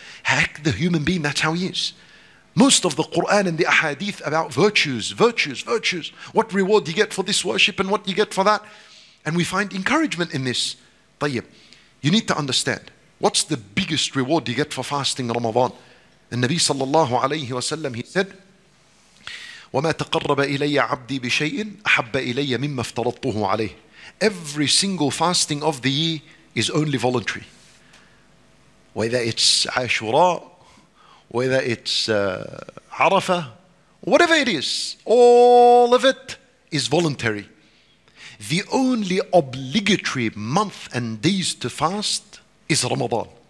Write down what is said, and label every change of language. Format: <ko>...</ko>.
<en>Heck, the human being, that's how he is. Most of the Quran and the ahadith about virtues, virtues, virtues. What reward you get for this worship and what you get for that. And we find encouragement in this. Tayyib, you need to understand, what's the biggest reward you get for fasting Ramadan? The Nabi sallallahu alayhi wasallam, he said,</en> <ar>وَمَا تَقَرَّبَ إِلَيَّ عَبْدِي بِشَيْءٍ أَحَبَّ إِلَيَّ مِمَّ افْتَرَطْتُهُ عَلَيْهِ.</ar> <en>Every single fasting of the year is only voluntary. Whether it's Ashura, whether it's Arafah, whatever it is, all of it is voluntary. The only obligatory month and days to fast is Ramadan.</en>